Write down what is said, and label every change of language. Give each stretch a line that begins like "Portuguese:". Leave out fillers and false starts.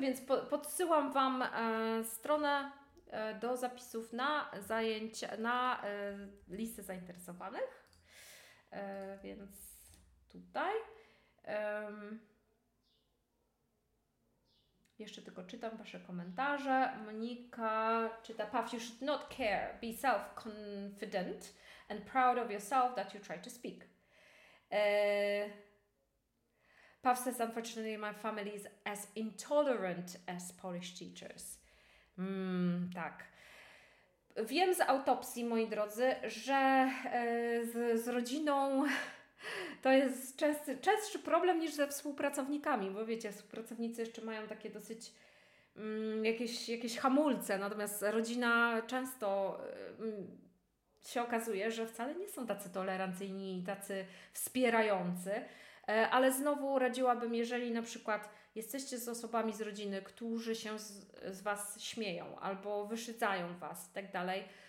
Polish: Więc podsyłam Wam stronę do zapisów na zajęcia, na listę zainteresowanych. Więc tutaj. Jeszcze tylko czytam Wasze komentarze. Monika czyta:
English: Paw, you should not care, be self-confident and proud of yourself that you try to speak. Paw says, unfortunately my family is as intolerant as Polish teachers.
Polish: Tak. Wiem z autopsji, moi drodzy, że z rodziną to jest częstszy problem niż ze współpracownikami, bo wiecie, współpracownicy jeszcze mają takie dosyć jakieś hamulce, natomiast rodzina często się okazuje, że wcale nie są tacy tolerancyjni i tacy wspierający, ale znowu radziłabym, jeżeli na przykład jesteście z osobami z rodziny, którzy się z Was śmieją albo wyszydzają Was i tak dalej.